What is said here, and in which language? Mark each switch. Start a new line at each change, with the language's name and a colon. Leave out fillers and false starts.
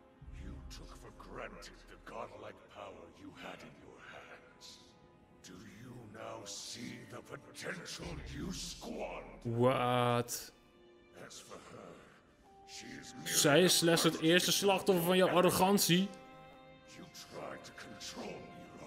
English: You took for granted the godlike power you had in your hands. Do you now see? The potential you squandered. What? As for her, she is merely...
Dutch: Zij is slechts het eerste slachtoffer van jouw arrogantie.
English: You tried to control me, Rauru.